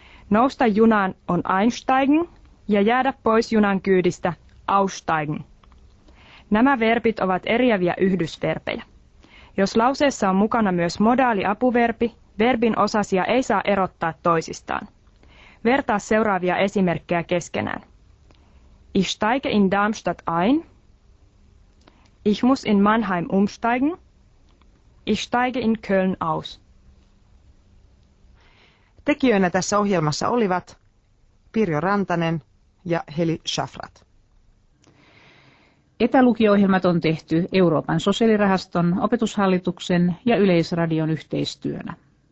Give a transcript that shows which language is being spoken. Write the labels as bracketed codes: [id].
[fi] Nousta junaan on einsteigen ja jäädä pois junan kyydistä aussteigen. Nämä verbit ovat eriäviä yhdysverbejä. Jos lauseessa on mukana myös modaaliapuverbi, verbin osasia ei saa erottaa toisistaan. Vertaa seuraavia esimerkkejä keskenään. [de] Ich steige in Darmstadt ein. Ich muss in Mannheim umsteigen. Ich steige in Köln aus. [fi] Tekijöinä tässä ohjelmassa olivat Pirjo Rantanen ja Heli Schafrat. Etälukio-ohjelmat on tehty Euroopan sosiaalirahaston, opetushallituksen ja Yleisradion yhteistyönä.